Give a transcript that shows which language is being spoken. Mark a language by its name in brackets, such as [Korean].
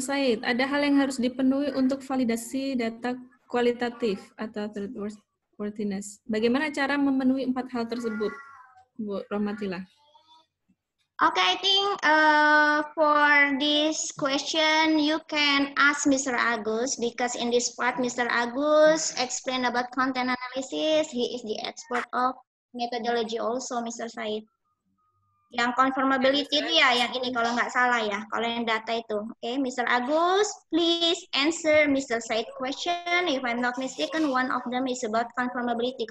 [Indonesian] Said, ada hal yang harus dipenuhi untuk validasi data kualitatif atau trustworthiness. Bagaimana cara memenuhi empat hal tersebut, Bu Rahmatilah? [English] Okay, I think for this question, you can ask Mr. Agus, because in this part, Mr. Agus explained about content analysis. He is the expert of methodology also, Mr. Said. [Indonesian] Yang confirmability itu ya, yang ini kalau nggak salah ya, kalau yang data itu. [English] Okay, Mr. Agus, please answer Mr. Said question. If I'm not mistaken, one of them is about confirmability.